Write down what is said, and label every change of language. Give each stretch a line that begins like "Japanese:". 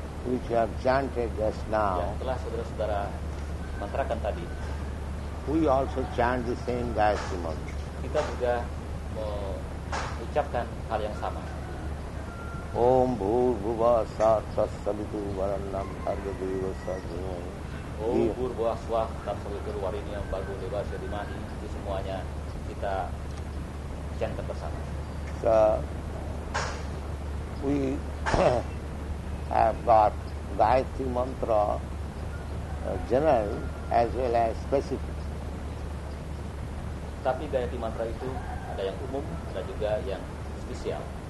English: which you have chanted just now.
Indonesian: Yang telah saudara-saudara mantrakan tadi.
English: We also chant the same Gayatri mantra.
Indonesian: Kita juga mengucapkan hal yang sama.
Sanskrit: Om Bhurbhuva Svaha Tatsavitu Varanam Bhargava Sadhu. Om Bhurbhuva Svaha Tatsavitu Varanam Bhargava Sadhu.
Indonesian: Itu semuanya kita chant bersama.
English: So, we have got Gayatri mantra general as well as specific.
Indonesian: Tapi Gayatri mantra itu ada yang umum, ada juga yang spesial.